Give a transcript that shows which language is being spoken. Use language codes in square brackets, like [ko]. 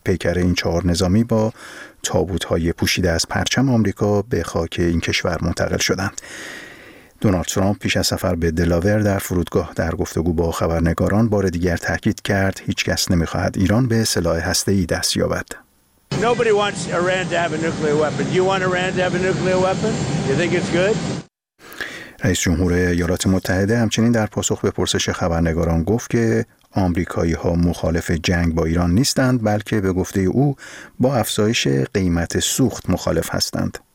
[fa] پیکر این 4 نظامی با تابوت‌های پوشیده از پرچم آمریکا به خاک این کشور منتقل شدند. دونالد ترامپ پیش از سفر به دلاور در فرودگاه در گفتگو با خبرنگاران بار دیگر تاکید کرد هیچ کس نمی‌خواهد ایران به سلاح هسته‌ای دست یابد. [en] Nobody wants Iran to have a nuclear weapon. Do you want Iran to have a nuclear weapon? You think it's good? [fa] رئیس جمهور ایالات متحده همچنین در پاسخ به پرسش خبرنگاران گفت که آمریکایی‌ها مخالف جنگ با ایران نیستند، بلکه به گفته او با افزایش قیمت سوخت مخالف هستند.